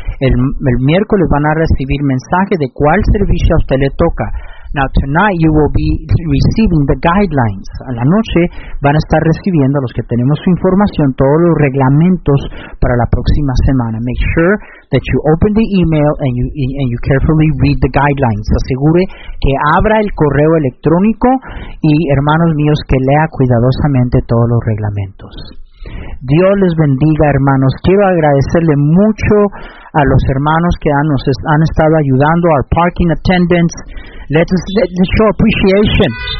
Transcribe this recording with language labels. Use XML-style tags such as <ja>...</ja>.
<es>El miércoles van a recibir mensaje de cuál servicio a usted le toca.</es> <en>Now tonight you will be receiving the guidelines.</en> <es>A la noche van a estar recibiendo los que tenemos su información todos los reglamentos para la próxima semana.</es> <en>Make sure that you open the email and you carefully read the guidelines.</en> <es>Asegure que abra el correo electrónico y hermanos míos que lea cuidadosamente todos los reglamentos. Dios les bendiga, hermanos. Quiero agradecerle mucho a los hermanos que han estado ayudando,</es> <en>our parking attendants. Let's show appreciation.</en>